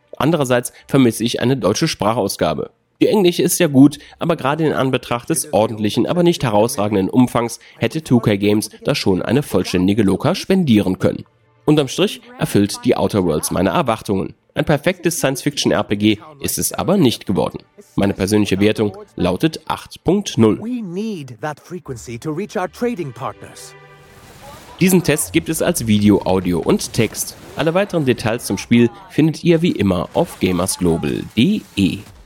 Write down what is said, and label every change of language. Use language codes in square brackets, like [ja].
[de] Andererseits vermisse ich eine deutsche Sprachausgabe. Die Englische ist ja gut, aber gerade in Anbetracht des ordentlichen, aber nicht herausragenden Umfangs hätte 2K Games da schon eine vollständige Loka spendieren können. Unterm Strich erfüllt die Outer Worlds meine Erwartungen. Ein perfektes Science-Fiction-RPG ist es aber nicht geworden. Meine persönliche Wertung lautet 8.0. [en] We need that frequency to reach our trading partners. [de] Diesen Test gibt es als Video, Audio und Text. Alle weiteren Details zum Spiel findet ihr wie immer auf gamersglobal.de.